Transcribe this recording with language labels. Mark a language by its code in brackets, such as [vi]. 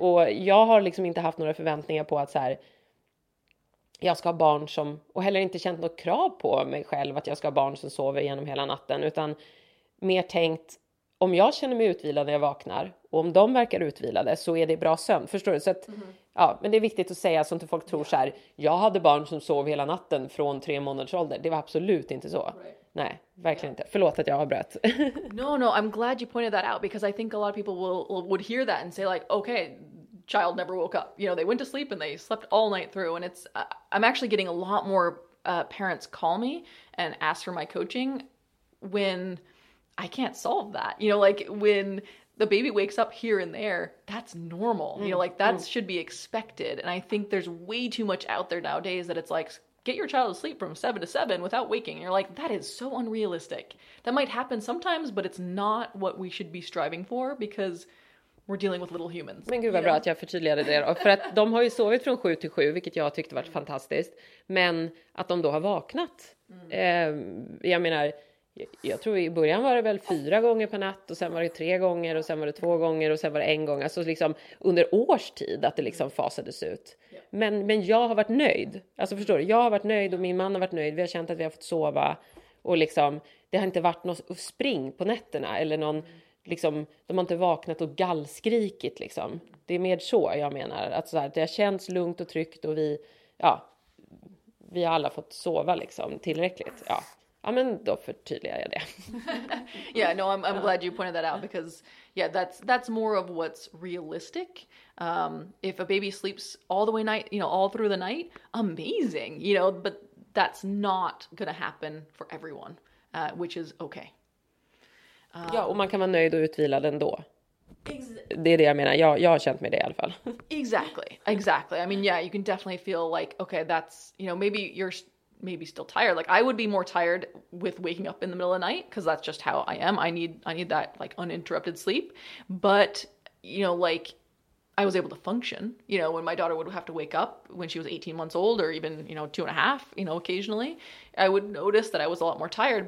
[sv] Och jag har liksom inte haft några förväntningar på att så här, jag ska ha barn som, och heller inte känt något krav på mig själv att jag ska ha barn som sover genom hela natten. Utan mer tänkt, om jag känner mig utvilad när jag vaknar och om de verkar utvilade, så är det bra sömn. Förstår du? Så att, ja, men det är viktigt att säga så att inte folk tror så här, jag hade barn som sov hela natten från 3 månaders ålder. Det var absolut inte så. [en] Right. [sv] Nej, verkligen inte. Förlåt att jag avbröt. [en] No, I'm glad you pointed that out, because I think a lot of people would hear that and say like, okay, child never woke up. You know, they went to sleep and they slept all night through. And it's, I'm actually getting a lot more parents call me and ask for my coaching when I can't solve that. You know, like when the baby wakes up here and there, that's normal. Mm. You know, like that should be expected. And I think there's way too much out there nowadays that it's like, get your child to sleep from 7 to 7 without waking. And you're like, that is so unrealistic. That might happen sometimes, but it's not what we should be striving for, because we're dealing with little humans. [sv] Men gud vad bra att jag förtydligade det. För att de har ju sovit från 7 till 7, vilket jag tyckte var fantastiskt. Men att de då har vaknat. Jag menar, jag tror i början var det väl 4 gånger per natt, och sen var det 3 gånger, och sen var det 2 gånger, och sen var det 1 gång. Alltså liksom under års tid att det liksom fasades ut. Men jag har varit nöjd. Alltså förstår du, jag har varit nöjd och min man har varit nöjd. Vi har känt att vi har fått sova, och liksom det har inte varit något spring på nätterna eller någon liksom, de har inte vaknat och gallskrikit liksom. Det är mer så jag menar, att så här, det har känts lugnt och tryggt, och vi har alla fått sova liksom tillräckligt. Ja. Ja, men då förtydligar jag det. [en] I'm glad you pointed that out, because yeah, that's more of what's realistic. If a baby sleeps all the way night, you know, all through the night, amazing, you know, but that's not gonna happen for everyone, which is okay. [sv] Ja, och man kan vara nöjd och utvilad ändå. Det är det jag menar. Jag har känt mig det i alla fall. [en] Exactly. I mean, yeah, you can definitely feel like, okay, that's, you know, maybe still tired. Like I would be more tired with waking up in the middle of the night, because that's just how I am. I need that like uninterrupted sleep. But you know, like I was able to function, you know, when my daughter would have to wake up when she was 18 months old, or even, you know, 2 and a half, you know, occasionally I would notice that I was a lot more tired.